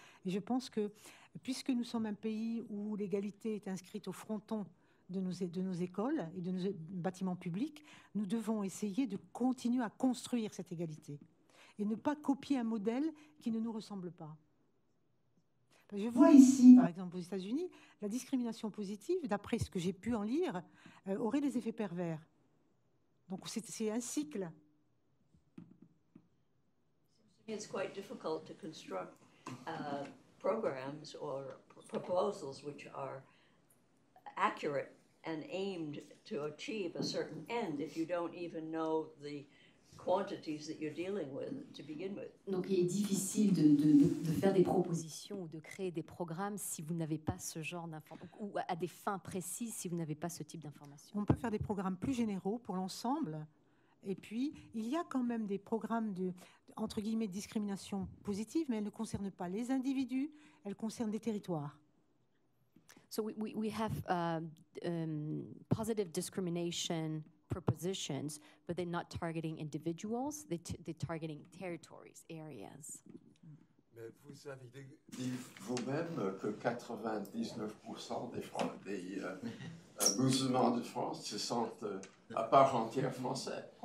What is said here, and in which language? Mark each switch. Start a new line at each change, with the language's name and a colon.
French: Et je pense que, puisque nous sommes un pays où l'égalité est inscrite au fronton de nos écoles et de nos bâtiments publics, nous devons essayer de continuer à construire cette égalité et ne pas copier un modèle qui ne nous ressemble pas. Je vois ici, par exemple, aux États-Unis, la discrimination positive, d'après ce que j'ai pu en lire, aurait des effets pervers. Donc, c'est un cycle.
English: It's quite difficult to construct programs or proposals which are accurate and aimed to achieve a certain end if you don't even know the quantities that you're dealing with to begin with.
French: Donc il est difficile de faire des propositions ou de créer des programmes si vous n'avez pas ce genre d'informations ou à des fins précises si vous n'avez pas ce type d'informations. On peut faire des programmes plus généraux pour l'ensemble et puis il y a quand même des programmes de entre guillemets de discrimination positive mais elles ne concernent pas les individus, elles concernent des territoires.
English: So we have positive discrimination propositions, but they're not targeting individuals, they're targeting territories, areas.
French: Mais vous avez dit vous-même que 99% des musulmans de France se sentent à part entière français.